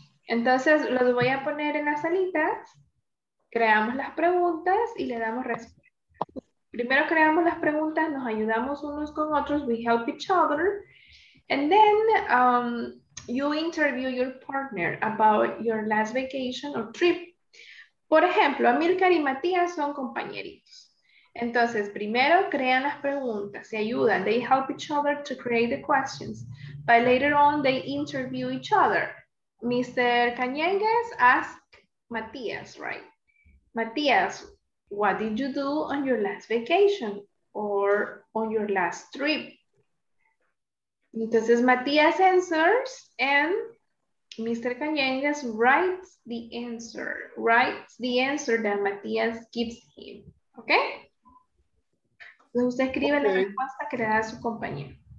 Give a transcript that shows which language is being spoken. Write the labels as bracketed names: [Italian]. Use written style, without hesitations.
[Spanish] Entonces, los voy a poner en las salitas. Creamos las preguntas y le damos respuesta. Primero creamos las preguntas, nos ayudamos unos con otros. [English] We help each other. And then you interview your partner about your last vacation or trip. [Spanish] Por ejemplo, Amílcar y Matías son compañeritos. Entonces, primero crean las preguntas, se ayudan. [English] They help each other to create the questions. But later on, they interview each other. Mr. Cañengues asked Matías, right? Matías, what did you do on your last vacation or on your last trip? Entonces, Matías answers and Mr. Cañengues writes the answer. Writes the answer that Matías gives him, okay? [Spanish] Entonces usted escribe la respuesta que le da a su compañero.